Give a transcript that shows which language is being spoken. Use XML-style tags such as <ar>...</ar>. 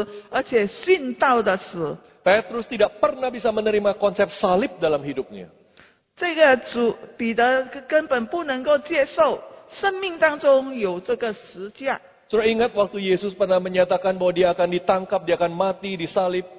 <zh>他彼得之前的观念当中从来没有想到跟随耶稣会直到死，而且殉道的死。</zh> <id>Petrus tidak pernah bisa menerima konsep salib dalam hidupnya.</id> <zh>这个主彼得根本不能够接受生命当中有这个十字架。</zh> <id>Sudah ingat waktu Yesus pernah menyatakan bahwa dia akan ditangkap, dia akan mati di salib.</id>